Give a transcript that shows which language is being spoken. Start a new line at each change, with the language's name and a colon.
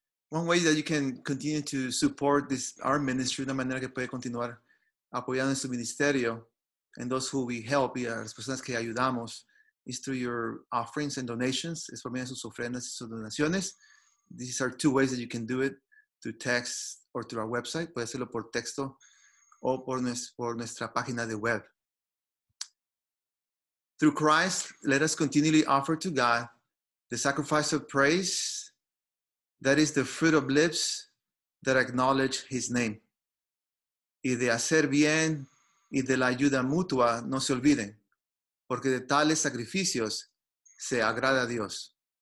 English: One way that you can continue to support this our ministry,
Spanish: una manera que puede continuar apoyando en su ministerio,
English: and those who we help,
Spanish: y a las personas que ayudamos,
English: is through your offerings and donations.
Spanish: Es por medio de sus ofrendas y sus donaciones.
English: These are two ways that you can do it, through text or through our website.
Spanish: Puede hacerlo por texto o por nuestra página de web.
English: Through Christ, let us continually offer to God the sacrifice of praise, that is the fruit of lips that acknowledge his name.
Spanish: Y de hacer bien y de la ayuda mutua no se olviden, porque de tales sacrificios se agrada a Dios.